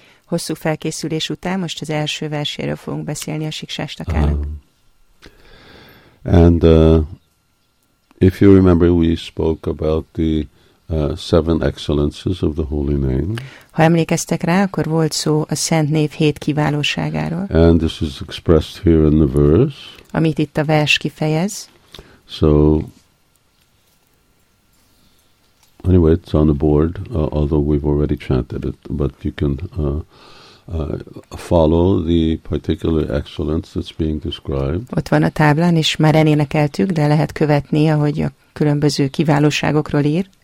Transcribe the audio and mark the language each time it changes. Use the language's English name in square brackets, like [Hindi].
[Hungarian] Hosszú felkészülés után most az első verséről fogunk beszélni a Shikshashtakán. [English] If you remember, we spoke about the seven excellences of the holy name. [Hungarian] Ha emlékeztek rá, akkor volt szó a szent név hét kiválóságáról. [English] And this is expressed here in the verse. [Hungarian] Amit itt a vers kifejez. [English] So, anyway, it's on the board, although we've already chanted it, but you can follow the particular excellence that's being described. [Hungarian] Ott van a táblán, és már elénekeltük, de lehet követni, ahogy a különböző kiválóságokról ír.